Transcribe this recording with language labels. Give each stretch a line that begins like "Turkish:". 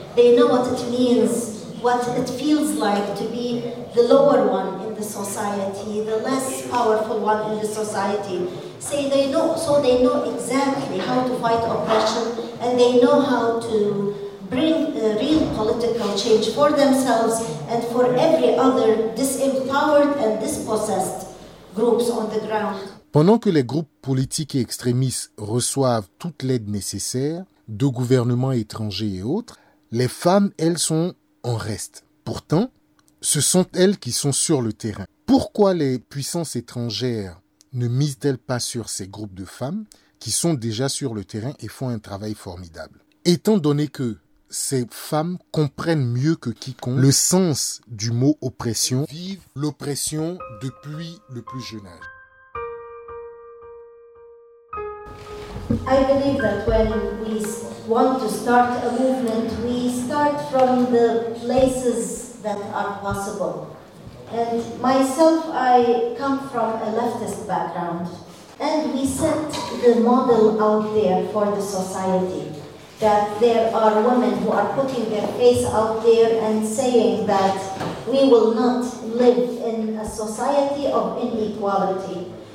English: They know what it means, what it feels like to be the lower one in the society, the less powerful one in the society. So they know exactly how to fight oppression, and they know how to bring a real political change for themselves and for every other disempowered and dispossessed groups on the ground.
French: Pendant que les groupes politiques et extrémistes reçoivent toute l'aide nécessaire de gouvernements étrangers et autres, les femmes, elles, sont en reste. Pourtant, ce sont elles qui sont sur le terrain. Pourquoi les puissances étrangères ne misent-elles pas sur ces groupes de femmes qui sont déjà sur le terrain et font un travail formidable? Étant donné que ces femmes comprennent mieux que quiconque le sens du mot oppression, elles vivent l'oppression depuis le plus jeune âge.
English: I believe that when we want to start a movement, we start from the places that are possible. And myself, I come from a leftist background. And we set the model out there for the society that there are women who are putting their face out there and saying that we will not live in a society of inequality.